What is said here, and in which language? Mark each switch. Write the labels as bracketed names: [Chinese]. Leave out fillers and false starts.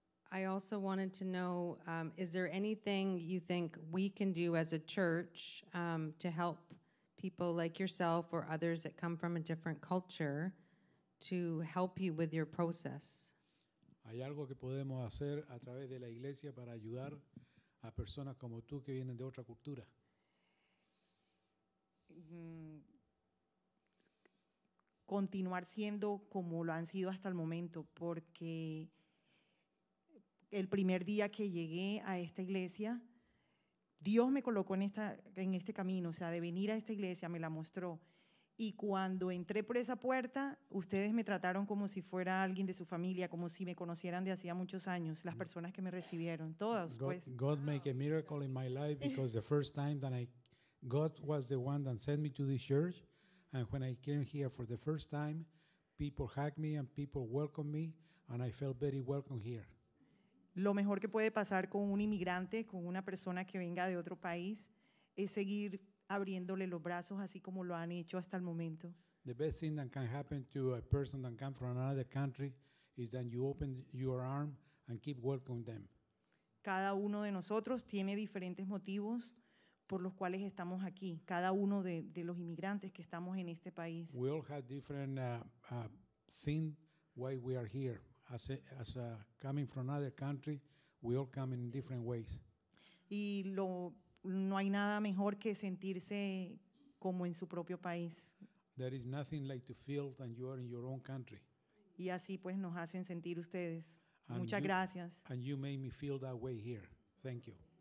[English] I also wanted to know, is there anything you think we can do as a church to help people like yourself or others that come from a different culture to help you with your process? [Spanish] ¿Hay algo que podemos hacer a través de la iglesia para ayudar a personas como tú que vienen de otra cultura? Continuar siendo como lo han sido hasta el momento, porque el primer día que llegué a esta iglesia, Dios me colocó en este camino, o sea, de venir a esta iglesia, me la mostró. Y cuando entré por esa puerta, ustedes me trataron como si fuera alguien de su familia, como si me conocieran de hacía muchos años, las personas que me recibieron, todas. [English] God make a miracle in my life because the first time that God was the one that sent me to this church, and when I came here for the first time, people hugged me and people welcomed me, and I felt very welcome here. [Spanish] Lo mejor que puede pasar con un inmigrante, con una persona que venga de otro país, es seguir abriéndole los brazos así como lo han hecho hasta el momento. [English] The best thing that can happen to a person that comes from another country is that you open your arm and keep welcoming them. [Spanish] Cada uno de nosotros tiene diferentes motivos por los cuales estamos aquí, cada uno de los inmigrantes que estamos en este país. [English] We all have different things why we are here. As coming from another country, we all come in different ways. [Spanish] Y no hay nada mejor que sentirse como en su propio país. [English] There is nothing like to feel that you are in your own country. [Spanish] Y así pues nos hacen sentir ustedes. Muchas gracias. [English] And you made me feel that way here. Thank you.